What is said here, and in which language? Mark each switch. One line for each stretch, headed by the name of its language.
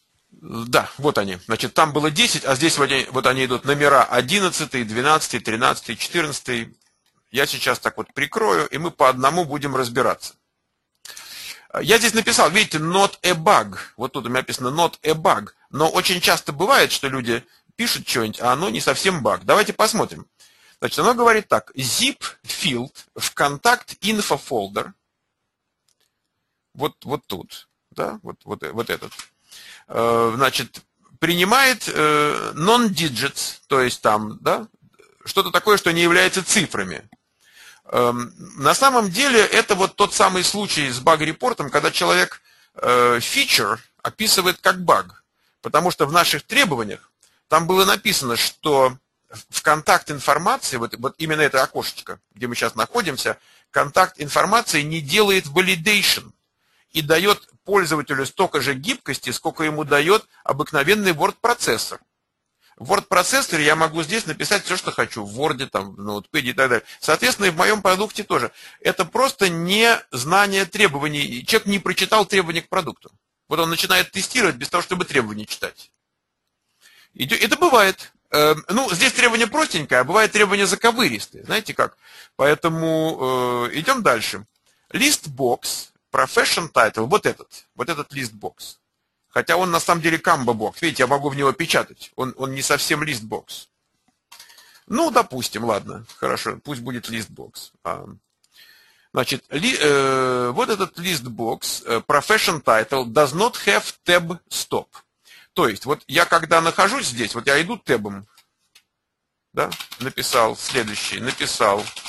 Russian: Да, вот они. Значит, там было 10, а здесь вот они идут номера 11, 12, 13, 14. Я сейчас так вот прикрою, и мы по одному будем разбираться. Я здесь написал, видите,
English: not a bug.
Russian: Вот тут у меня написано not a bug. Но очень часто бывает, что люди пишут что-нибудь, а оно не совсем баг. Давайте посмотрим. Значит, оно говорит так.
English: Zip field в контакт info folder.
Russian: Вот тут. Да, вот этот. Значит, принимает non-digits, то есть там, да, что-то такое, что не является цифрами. На самом деле, это вот тот самый случай с баг-репортом, когда человек feature описывает как баг. Потому что в наших требованиях там было написано, что в контакт информации, вот именно это окошечко, где мы сейчас находимся, контакт информации не делает validation и дает пользователю столько же гибкости, сколько ему дает обыкновенный Word-процессор. В Word-процессоре я могу здесь написать все, что хочу, в Word, там, в Notepad и так далее. Соответственно, и в моем продукте тоже. Это просто не знание требований. Человек не прочитал требования к продукту. Вот он начинает тестировать без того, чтобы требования читать. Это бывает. Ну, здесь требования простенькие, а бывают требования заковыристые. Знаете как? Поэтому идем дальше.
English: List box, profession title,
Russian: вот этот
English: list box.
Russian: Хотя он на самом деле камбо бокс. Видите, я могу в него печатать. Он не совсем list box. Ну, допустим, ладно, хорошо, пусть будет list box. Значит, вот этот
English: list box, profession title, does not have tab stop.
Russian: То есть, вот я когда нахожусь здесь, вот я иду тэбом, да, написал следующий, написал.